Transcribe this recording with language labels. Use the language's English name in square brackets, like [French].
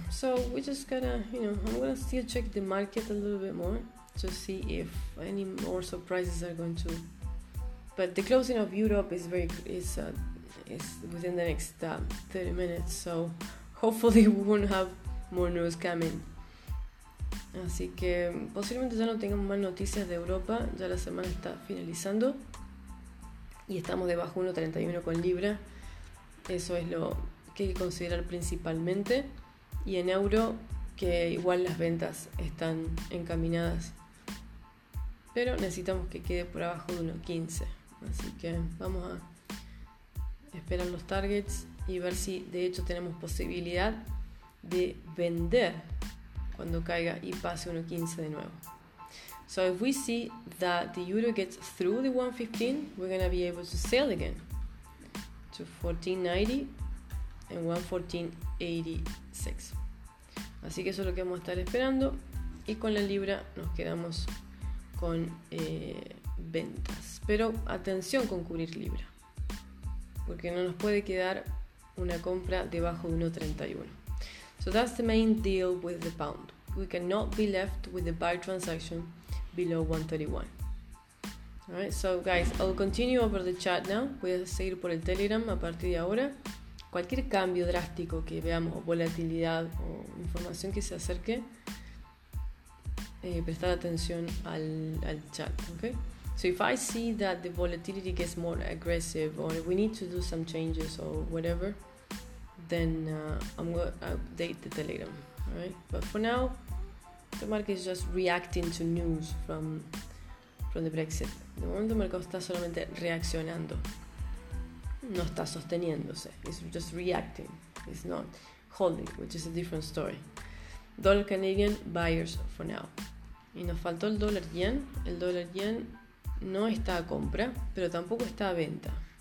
[English] So we just gotta, you know, I'm gonna still check the market a little bit more to see if any more surprises are going to. But the closing of Europe is within the next 30 minutes. So hopefully we won't have more news coming. [Spanish] Así que posiblemente ya no tengamos más noticias de Europa. Ya la semana está finalizando y estamos debajo 1.31 con Libra. Eso es lo que hay que considerar principalmente, y en euro que igual las ventas están encaminadas, pero necesitamos que quede por abajo de 1.15, así que vamos a esperar los targets y ver si de hecho tenemos posibilidad de vender cuando caiga y pase 1.15 de nuevo. [English] So if we see that the euro gets through the 1.15, we're going to be able to sell again to 1490 en 1.1486. [Spanish] Así que eso es lo que vamos a estar esperando. Y con la Libra nos quedamos con ventas. Pero atención con cubrir Libra, porque no nos puede quedar una compra debajo de 1.31. [English] So that's the main deal with the pound. We cannot be left with the buy transaction below 1.31. Alright, so guys, I'll continue over the chat now. [Spanish] Voy a seguir por el Telegram a partir de ahora. cualquier cambio drástico que veamos, o volatilidad, o información que se acerque, prestar atención al chat, okay? [English] So if I see that the volatility gets more aggressive, or we need to do some changes, or whatever, then I'm going to update the Telegram, right? But for now, the market is just reacting to news from the Brexit. [Spanish] De momento el mercado está solamente reaccionando. No está sosteniéndose. [English] It's just reacting. It's not holding, which is a different story. Dollar Canadian buyers for now. [Spanish] Y nos faltó el dólar yen. El dólar yen no está a compra, pero tampoco está a venta.